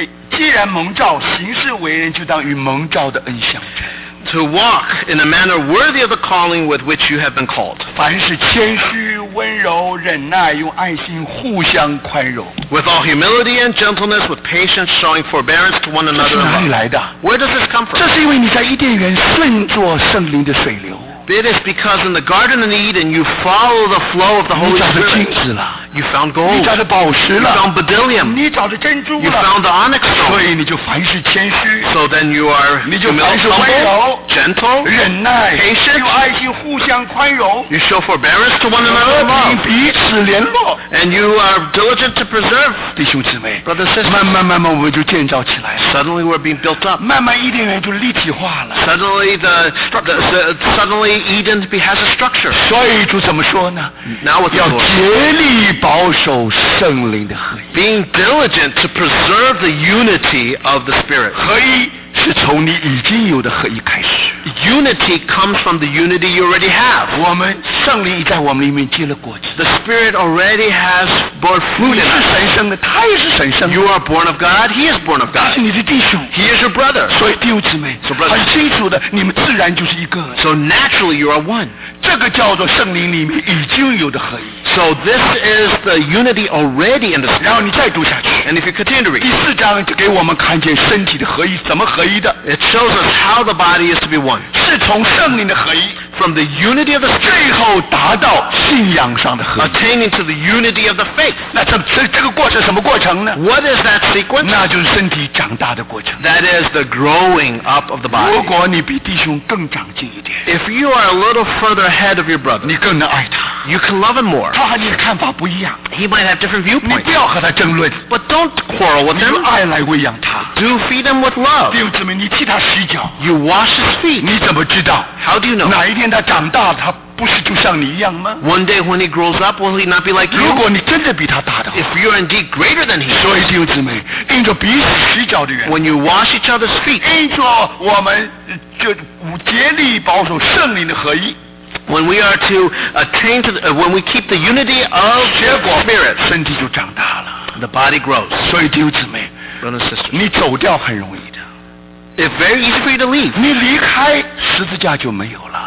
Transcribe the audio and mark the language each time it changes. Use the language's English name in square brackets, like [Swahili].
[Chinese] 既然蒙召，行事为人就当与蒙召的恩相称。 [English] To walk in a manner worthy of the calling with which you have been called. [Chinese] 凡事谦虚、温柔、忍耐，用爱心互相宽容。 [English] With all humility and gentleness, with patience, showing forbearance to one another. [Chinese] 这是哪里来的 [English] ？Where does this come from? [Chinese] 这是因为你在伊甸园顺着圣灵的水流。 [English] It is because in the Garden of Eden you follow the flow of the Holy Spirit. [Chinese] 你找着金子了。 [English] You found gold. [Chinese] 你找着宝石了。 [English] You found bdellium. [Chinese] 你找着珍珠了。 [English] You found the onyx stone. [Chinese] 所以你就凡事谦虚。 [English] So then you are humble, [Chinese] 你就凡事温柔。 [English] Gentle. [Chinese] 忍耐。 [English] Patient. [Chinese] 用爱心互相宽容。 [English] You show forbearance to one another. [Chinese] 和平彼此联络。 [English] And you are diligent to preserve. [Chinese] 弟兄姊妹。 [English] Brother and sister. [Chinese] 慢慢慢慢我们就建造起来。 [English] Suddenly we're being built up. [Chinese] 慢慢伊甸园就立体化了。 [English] Suddenly suddenly Eden has a structure. [Chinese] 所以主怎么说呢 [English] ？Now with the Lord. [Chinese] 要竭力保守圣灵的合一。 [English] Being diligent to preserve the unity of the Spirit. [Chinese] 合一是从你已经有的合一开始。 [English] Unity comes from the unity you already have. [Chinese] 我们圣灵已在我们里面结了果子。 [English] The Spirit already has borne fruit. [Chinese] 你是神圣的，他也是神圣的。 [English] You are born of God. He is born of God. [Chinese] 他是你的弟兄。 [English] He is your brother. [Chinese] 所以弟兄姊妹， [English] so、brothers, [Chinese] 很清楚的，你们自然就是一个。 [English] So naturally you are one. [Chinese] 这个叫做圣灵里面已经有的合一。 [English] So this is the unity already in the spirit. [Chinese] 然后你再读下去。 [English] And if you continue to read, [Chinese] 第四章就给我们看见身体的合一，怎么合一的。 [English] It shows us how the body is to be one. [Chinese] 是从圣灵的合一。 [English] From the unity of the spirit, [Chinese] 最后达到信仰上的合一。 [English] Attaining to the unity of the faith. [Chinese] 那这个过程什么过程呢？ [English] What is that sequence? [Chinese] 那就是身体长大的过程。 [English] That is the growing up of the body. [Chinese] 如果你比弟兄更长进一点。 [English] If you are a little further ahead of your brother, [Chinese] 你更能爱他。 [English] You can love him more. [Chinese] 他和你的看法不一样。 [English] He might have different viewpoints. [Chinese] 你不要和他争论。 [English] But don't quarrel with him. [Chinese] 你用爱来喂养他。 [English] Do feed him with love. [Chinese] 弟兄姊妹，你替他洗脚。 [English] You wash his feet. [Chinese] 你怎么知道？ [English] How do you know? [Chinese] 哪一天他长大，他不是就像你一样吗？ [English] One day when he grows up, will he not be like you? [Chinese] 如果你真的比他大的话。 [English] If you are indeed greater than him. [Chinese] 所以弟兄姊妹，因着彼此洗脚的缘故。 [English] When you wash each other's feet. [Chinese] 因着我们就竭力保守圣灵的合一。 [English] When we are to attain to the, when we keep the unity of the spirit, [Chinese] 身体就长大了。 [English] The body grows. [Chinese] 所以弟兄姊妹， [English] brothers and sisters, [Chinese] 你走掉很容易的。 [English] It's very easy for you to leave. [Chinese] 你离开十字架就没有了。